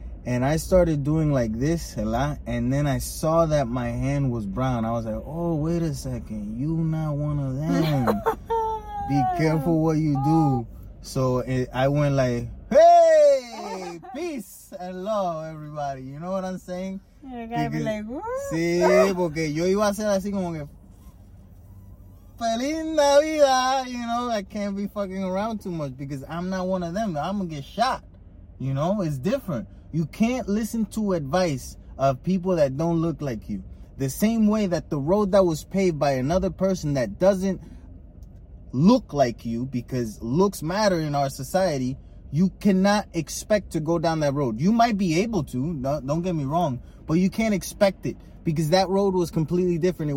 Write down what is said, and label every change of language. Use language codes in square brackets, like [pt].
[en] And I started doing like this a lot, and then I saw that my hand was brown. I was like, oh, wait a second, you not one of them. Be careful what you do. So I went like, hey, peace and love, everybody. You know what I'm saying? You gotta because, be like, woo. [es] Sí, porque yo iba a hacer así como que, feliz Navidad, [en] you know? I can't be fucking around too much because I'm not one of them. I'm gonna get shot, you know? It's different. You can't listen to advice of people that don't look like you. The same way that the road that was paved by another person that doesn't look like you, because looks matter in our society, you cannot expect to go down that road. You might be able to, don't get me wrong, but you can't expect it because that road was completely different.